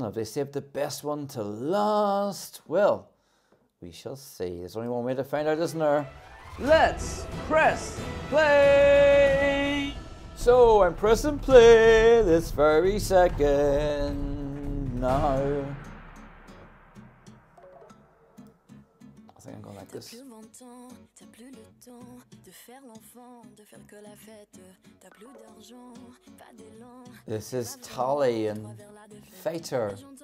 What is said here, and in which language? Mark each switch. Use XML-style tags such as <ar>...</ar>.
<en>Have they saved the best one to last? Well, we shall see. There's only one way to find out, isn't there? Let's press play! So I'm pressing play this very second now.</en> <fr>T'as plus 20 ans, t'as plus le temps de faire l'enfant, de faire que la fête, t'as plus d'argent, pas d'élan.</fr> <en>This is Tally and Fighter.</en>